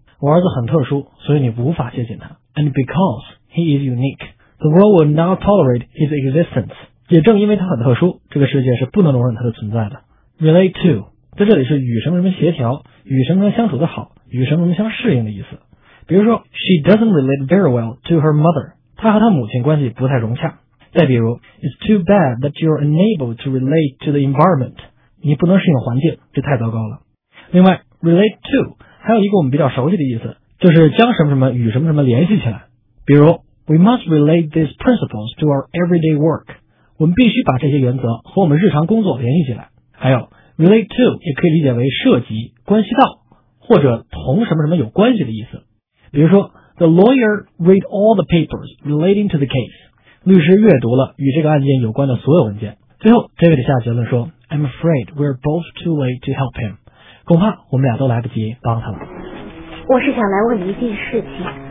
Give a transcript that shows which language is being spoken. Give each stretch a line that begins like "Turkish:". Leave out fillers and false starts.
Chinese: 我儿子很特殊，所以你无法接近他。
English: And because he is unique, the world will not tolerate his existence.
Chinese: 也正因为他很特殊，这个世界是不能容忍他的存在的。 Relate to 在这里是与什么什么协调，与什么什么相处的好，与什么什么相适应的意思。比如说 ,
English: she doesn't relate very well to her mother,
Chinese: 她和她母亲关系不太融洽。再比如
English: ,it's too bad that you're unable to relate to the environment,
Chinese: 你不能适应环境，这太糟糕了。另外 ,relate to, 还有一个我们比较熟悉的意思，就是将什么什么与什么什么联系起来。比如 ,
English: we must relate these principles to our everyday work,
Chinese: 我们必须把这些原则和我们日常工作联系起来。还有 ,relate to 也可以理解为涉及、关系到或者同什么什么有关系的意思。比如说
English: ,the lawyer read all the papers relating to the case.
Chinese: 律师阅读了与这个案件有关的所有文件。最后
English: ,David
Chinese: 下结论说
English: ,I'm afraid we're both too late to help him.
Chinese: 恐怕我们俩都来不及帮他了。我是想来问你一件事情。